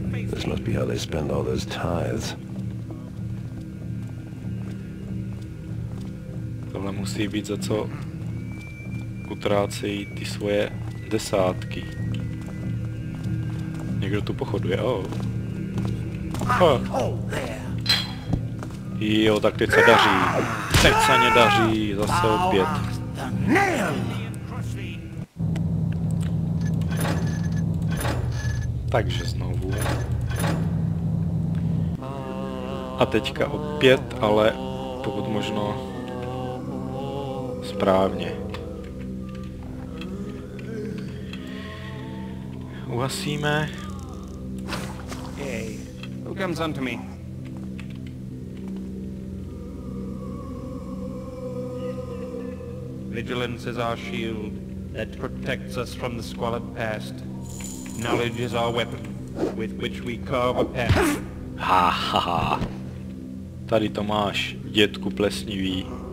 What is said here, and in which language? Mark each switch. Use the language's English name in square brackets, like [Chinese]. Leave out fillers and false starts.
[English] This must be how they spend all those tithes. [Czech] tohle musí být za co utrácejí ty svoje desátky. Někdo tu pochoduje, Jo, tak teď se daří. Teď se mě daří, zase opět. Takže znovu. A teďka opět, ale pokud možno správně. Uhasíme. [English] Hey, who comes on to me? Vigilance is our shield that protects us from the squalid past. Knowledge is our weapon with which we carve a path. Ha ha ha. [Czech] Tady to máš, dětku plesnivý.